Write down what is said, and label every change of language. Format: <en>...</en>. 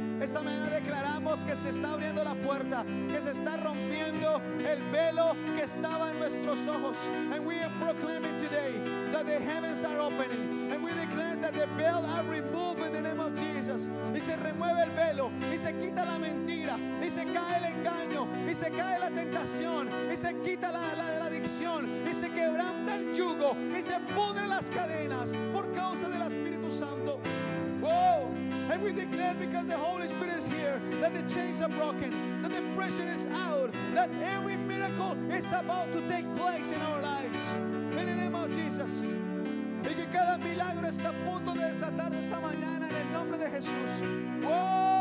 <es>Esta mañana declaramos que se está abriendo la puerta, que se está rompiendo el velo que estaba en nuestros ojos.</es> <en>And we are proclaiming today that the heavens are opening. And we declare that the veil are removed in the name of Jesus.</en> <es>Y se remueve el velo, y se quita la mentira, y se cae el engaño, y se cae la tentación, y se quita la adicción, y se quebranta el yugo, y se pudren las cadenas por causa del Espíritu Santo. Whoa.</es> <en>And we declare, because the Holy Spirit is here, that the chains are broken, that the pressure is out, that every miracle is about to take place in our lives. In the name of Jesus.</en> <es>Y que cada milagro está a punto de desatar esta mañana en el nombre de Jesús.</es>